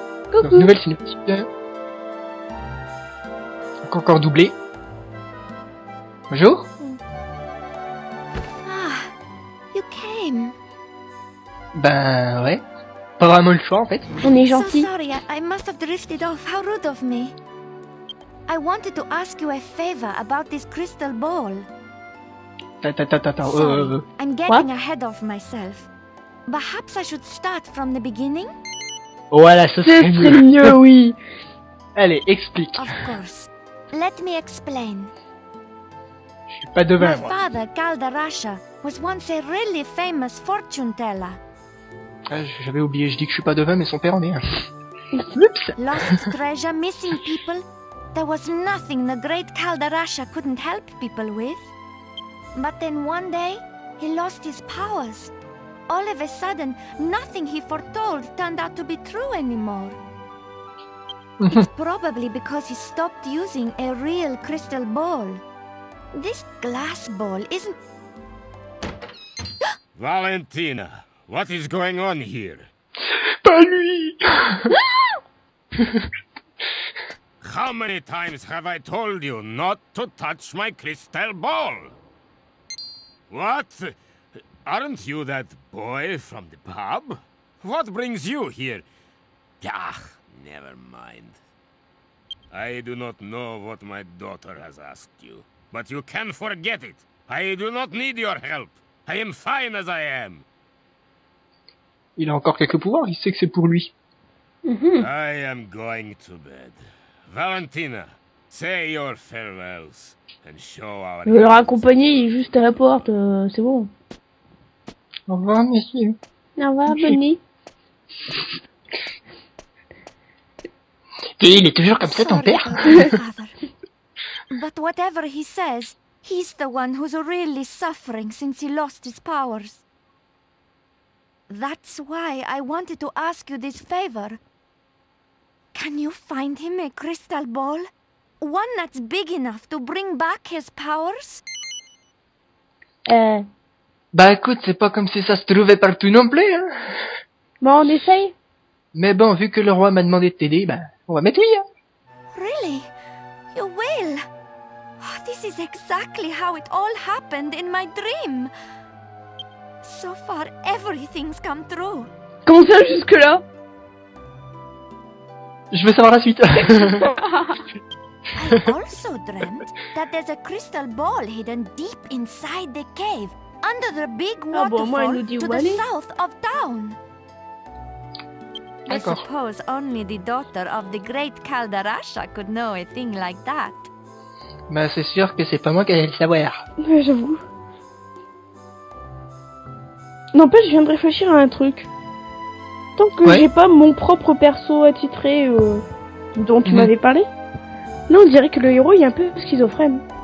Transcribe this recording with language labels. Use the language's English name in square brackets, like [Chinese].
[French] Coucou. Donc, nouvelle synoptique. Donc encore doublé. Bonjour. [English] Ah, you came. [French] Ben ouais. Pas vraiment le choix en fait. On est gentil. [English] So sorry, I must have drifted off. How rude of me. I wanted to ask you a favor about this crystal ball. Sorry, I'm getting ahead of myself. Perhaps I should start from the beginning? [French] Voilà, ça c'est mieux, oui. Allez, explique. [English] Of course. Let me explain. [French] Je suis pas devin, moi. [English] My father, Caldarasha, was once a really famous fortune teller. [French] Ah, j'avais oublié, je dis que je suis pas devin, mais son père en est un. Oups. [English] Lost treasure, missing people. There was nothing the great Caldarasha couldn't help people with. But then one day, he lost his powers. All of a sudden, nothing he foretold turned out to be true anymore. It's probably because he stopped using a real crystal ball. This glass ball isn't... Valentina, what is going on here? [French] Pas lui! [English] How many times have I told you not to touch my crystal ball? What? Aren't you that boy from the pub? What brings you here? Ah, never mind. I do not know what my daughter has asked you, but you can forget it. I do not need your help. I am fine as I am. [French] Il a encore quelques pouvoirs, il sait que c'est pour lui. [English] I am going to bed. Valentina, say your farewells and show our... [French] Je vais leur accompagner, il est juste à la porte, c'est bon. Au revoir, monsieur. Au revoir, Bonnie. Et il est toujours comme ça, ton père. [English] But whatever he says, he's the one who's really suffering since he lost his powers. That's why I wanted to ask you this favor. Can you find him a crystal ball? One that's big enough to bring back his powers? [French] Bah écoute, c'est pas comme si ça se trouvait partout non plus, hein. Bon, on essaye. Mais bon, vu que le roi m'a demandé de t'aider, bah, on va mettre oui, hein. [English] Really? You will? Oh, this is exactly how it all happened in my dream. So far, everything's come true. [French] Comment ça, jusque-là? Je veux savoir la suite. [English] I also dreamt that there's a crystal ball hidden deep inside the cave, under the big waterfall to the south of town. [French] D'accord. [English] I suppose only the daughter of the great Kaldarasha could know a thing like that. [French] Bah c'est sûr que c'est pas moi qui allais le savoir. Ouais, j'avoue. N'empêche, je viens de réfléchir à un truc. Tant que j'ai pas mon propre perso attitré dont tu m'avais parlé, là on dirait que le héros est un peu schizophrène.